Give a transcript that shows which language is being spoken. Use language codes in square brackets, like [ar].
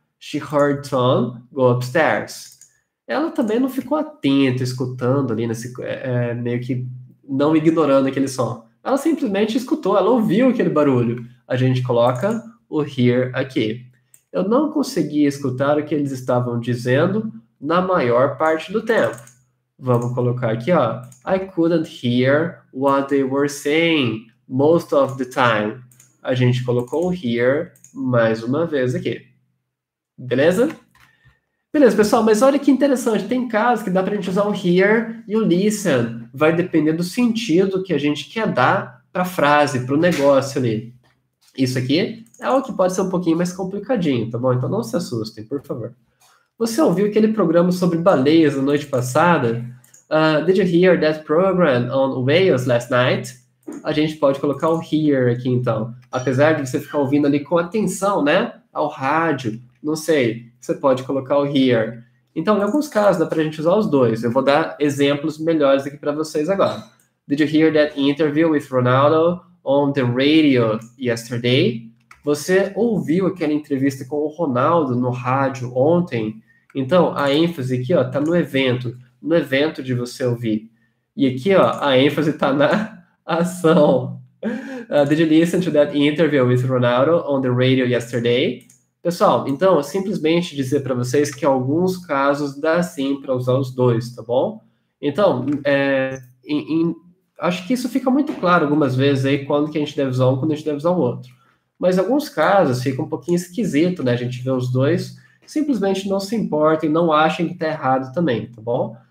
[en] She heard Tom go upstairs. [pt] Ela também não ficou atenta, escutando ali, nesse, meio que não ignorando aquele som. Ela simplesmente escutou, ela ouviu aquele barulho. A gente coloca o hear aqui. Eu não consegui escutar o que eles estavam dizendo na maior parte do tempo. Vamos colocar aqui, ó. [en] I couldn't hear what they were saying most of the time. [pt] A gente colocou o hear mais uma vez aqui. Beleza? Beleza, pessoal. Mas olha que interessante. Tem casos que dá pra gente usar o hear e o listen. Vai depender do sentido que a gente quer dar pra frase, pro negócio ali. Isso aqui é o que pode ser um pouquinho mais complicadinho, tá bom? Então não se assustem, por favor. Você ouviu aquele programa sobre baleias na noite passada? [en] Did you hear that program on whales last night? [pt] A gente pode colocar o hear aqui, então. Apesar de você ficar ouvindo ali com atenção, né? Ao rádio, não sei. Você pode colocar o hear. Então, em alguns casos, dá pra gente usar os dois. Eu vou dar exemplos melhores aqui para vocês agora. [en] Did you hear that interview with Ronaldo on the radio yesterday? [pt] Você ouviu aquela entrevista com o Ronaldo no rádio ontem? Então, a ênfase aqui, ó, tá no evento de você ouvir. E aqui, ó, a ênfase tá na ação. [en] Did you listen to that interview with Ronaldo on the radio yesterday? [pt] Pessoal, então, simplesmente dizer para vocês que em alguns casos dá sim para usar os dois, tá bom? Então, acho que isso fica muito claro algumas vezes aí quando que a gente deve usar um, quando a gente deve usar o outro. Mas em alguns casos fica um pouquinho esquisito, né? A gente vê os dois, simplesmente não se importem, não achem que está errado também, tá bom?